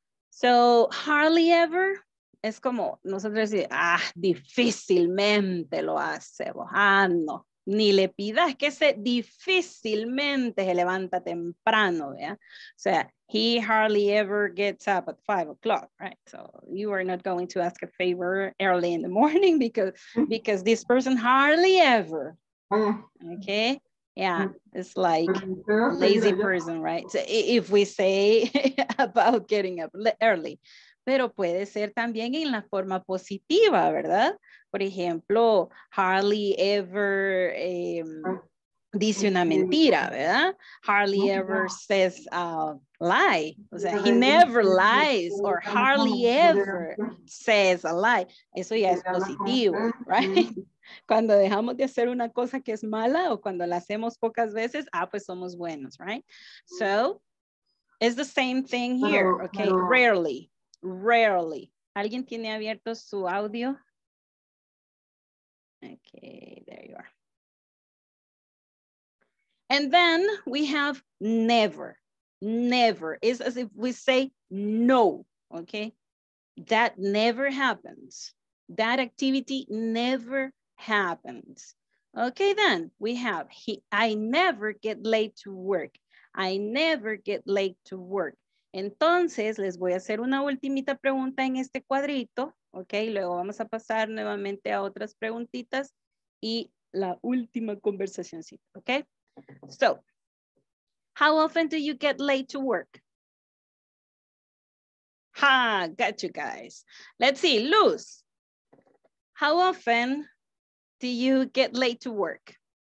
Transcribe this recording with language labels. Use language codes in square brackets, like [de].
[es] So hardly ever es como nosotros decimos, ah, difícilmente lo hace, bojando. Ni le pidas que se difícilmente se levanta temprano, ¿verdad? O sea, [en] he hardly ever gets up at 5 o'clock, right? So you are not going to ask a favor early in the morning because this person hardly ever, okay? Yeah, it's like lazy person, right? So if we say about getting up early. [es] Pero puede ser también en la forma positiva, ¿verdad? Por ejemplo, hardly ever dice una mentira, ¿verdad? Hardly ever says a lie. O sea, he never lies or hardly ever says a lie. Eso ya es positivo, right? Cuando dejamos de hacer una cosa que es mala o cuando la hacemos pocas veces, ah, pues somos buenos, right? [en] So, it's the same thing here, okay? [es] Rarely, rarely. ¿Alguien tiene abierto su audio? [en] Okay, there you are. And then we have never. Never is as if we say no, okay? That never happens. That activity never happens. Okay, then we have I never get late to work. I never get late to work. [es] Entonces, les voy a hacer una ultimita pregunta en este cuadrito. Ok, luego vamos a pasar nuevamente a otras preguntitas y la última conversacioncita, ok? [en] So, how often do you get late to work? Ha, got you guys. Let's see, Luz. How often do you get late to work?